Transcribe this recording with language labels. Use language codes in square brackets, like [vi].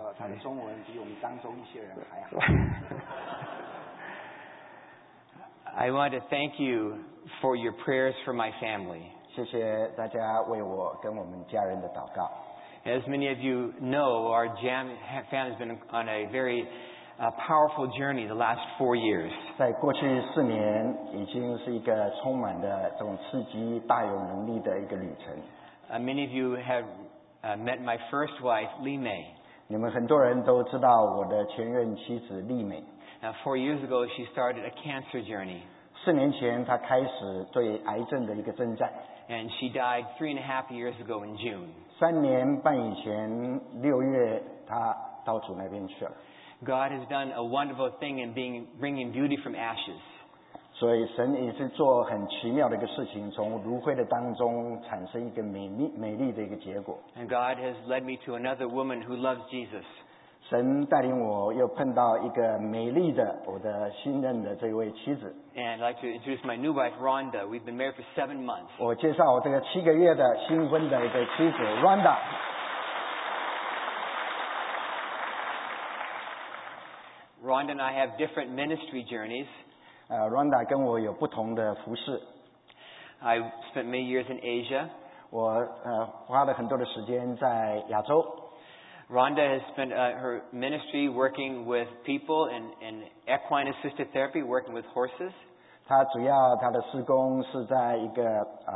[zh] 他的中文比我们当中一些人还好。 [en] I want to thank you for your prayers for my family. [zh] 谢谢大家为我跟我们家人的祷告。 [en] As many of you know, our family has been on a very powerful journey the last 4 years. [zh] 在过去4年，已经是一个充满的这种刺激、大有能力的一个旅程。 [en] Many of you have met my first wife, Li Mei. [zh] 你们很多人都知道我的前任妻子丽美。 [en] Now, 4 years ago, she started a cancer journey. [zh] 4年前，她开始对癌症的一个征战。 [en] And she died 3.5 years ago in June. [zh] 3年半以前，6月，她到主那边去了。 [en] God has done a wonderful thing in bringing beauty from ashes. [zh] 所以神也是做很奇妙的一个事情，从炉灰的当中产生一个美丽的一个结果。 [en] And God has led me to another woman who loves Jesus. [zh] 神带领我又碰到一个美丽的我的新任的这位妻子。 [en] And I'd like to introduce my new wife, Rhonda. We've been married for 7 months. [zh] 我介绍这个7个月的新婚的一个妻子 Rhonda。 [en] Rhonda and I have different ministry journeys. [zh] Rhonda 跟我有不同的服事。 [en] I spent many years in Asia. [zh] 我花了很多的时间在亚洲。 [en] Rhonda has spent her ministry working with people in equine assisted therapy, working with horses. [zh] 她主要她的事工是在一个